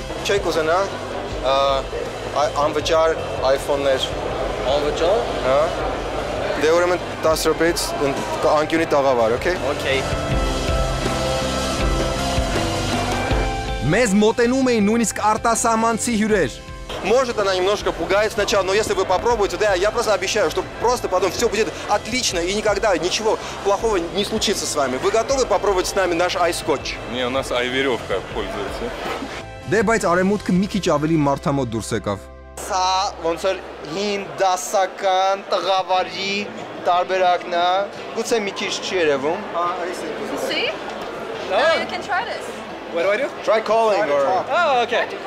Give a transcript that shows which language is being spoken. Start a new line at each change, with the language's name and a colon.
Armenian: Չեք ուզենա անվճար iPhone-ներ։ Անվճար։ Հա։ Դե ուրեմն 10 րոպեից անկյունի տաղավար, օքեյ։ Օքեյ։ Մեզ մոտենում էին նույնիսկ արտասահմանցի հյուրեր։
Russian: Может она немножко пугает сначала, но если вы попробуете, да, я просто обещаю, что просто потом все будет отлично и никогда ничего плохого не случится с вами. Вы готовы попробовать с нами наш айскотч? Не, у нас ай-веревка пользуется.
Armenian: Да, բայց արեմուտքը մի քիչ ավելի մարտամոտ դուրս եկավ. Սա ոնց էլ հին դասական տղավարի տարբերակն է։ Գուցե մի քիչ չի երևում։ Հա, այս է։
English: See? No, you can try this. What do I do? Try calling or Oh, okay.